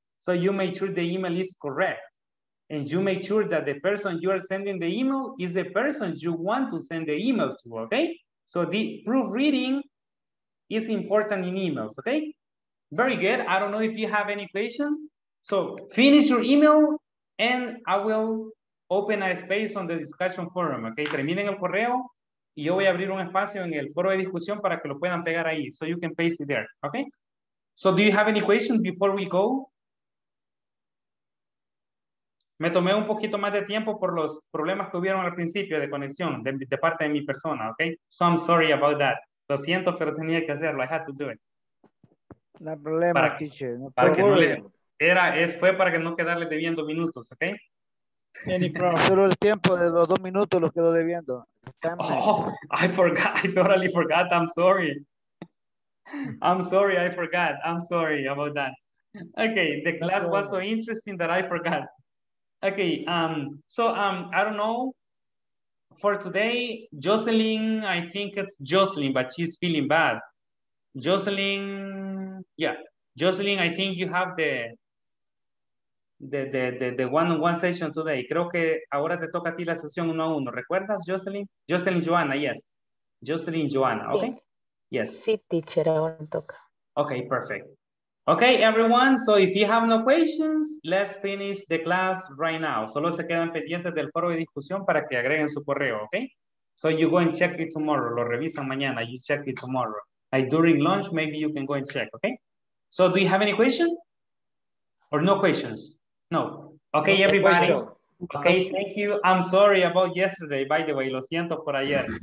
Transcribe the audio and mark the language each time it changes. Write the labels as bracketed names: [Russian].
[English] So you make sure the email is correct. And you make sure that the person you are sending the email is the person you want to send the email to, okay? So the proofreading is important in emails, okay? Very good. I don't know if you have any questions. So finish your email and I will open a space on the discussion forum, okay? [Spanish] Terminen el correo y yo voy a abrir un espacio en el foro de discusión para que lo puedan pegar ahí. [English] So you can paste it there, okay? So do you have any questions before we go? [Spanish] Me tomé un poquito más de tiempo por los problemas que hubieron al principio de conexión de parte de mi persona, okay? [English] So I'm sorry about that. [Spanish] Lo siento, pero tenía que hacerlo. [English] I had to do it. [Spanish] No problema, para, [English] teacher. [Spanish] No para que no le, era, es, fue para que no quedarle debiendo minutos, okay? [English] Any problem. [Spanish] Pero el tiempo de los dos minutos los quedó debiendo. [English] Oh, I forgot. I totally forgot. I'm sorry. I'm sorry. I forgot. I'm sorry about that. Okay. The class was so interesting that I forgot. Okay. I don't know. For today, Jocelyn, I think it's Jocelyn, but she's feeling bad. Jocelyn, yeah. Jocelyn, I think you have the one-on-one session today. [Spanish] Creo que ahora te toca a ti la sesión uno a uno. ¿Recuerdas, [English] Jocelyn? Jocelyn Joanna, yes. Jocelyn Joanna, okay? [Spanish] Sí. [English] Yes. [Spanish] Sí, teacher, ahora me toca. [English] Okay, perfect. Okay, everyone, so if you have no questions, let's finish the class right now. [Spanish] Solo se quedan pendientes del foro de discusión para que agreguen su correo, okay? [English] So you go and check it tomorrow. [Spanish] Lo revisan mañana. [English] You check it tomorrow. Like during lunch, maybe you can go and check, okay? So do you have any questions? Or no questions? No. Okay, no, everybody. Okay, thank you. I'm sorry about yesterday, by the way. [Spanish] Lo siento por ayer.